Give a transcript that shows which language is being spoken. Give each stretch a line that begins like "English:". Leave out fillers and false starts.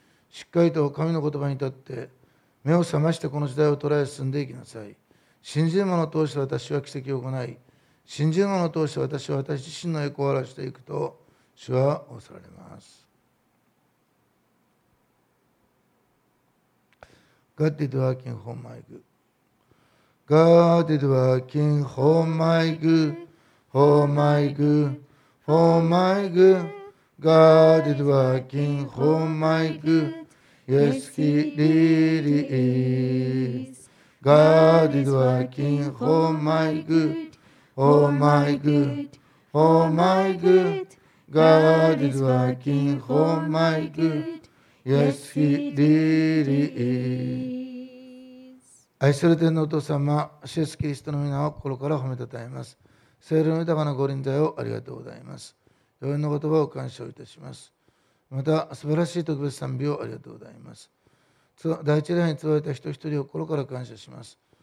Japanese: しっかりと神の言葉に立って目を覚ましてこの時代を捉え進んでいきなさい。信じる者を通して私は奇跡を行い、信じる者を通して私は私自身の栄光を表していくと主は仰せられます。
English: God is working for my good. God is working for my good. For my goodFor my good, God is working for my good, yes he really is. God is working for my good, oh my good, oh my good. God is working for my good, yes he really is.
Japanese: 愛する天のお父様、主イエスキリストの皆を心から褒めたたえます。聖霊の豊かなご臨在をありがとうございます。良いの言葉を感謝いたします。また素晴らしい特別賛美をありがとうございます。第一礼拝に集われた人一人を心から感謝します。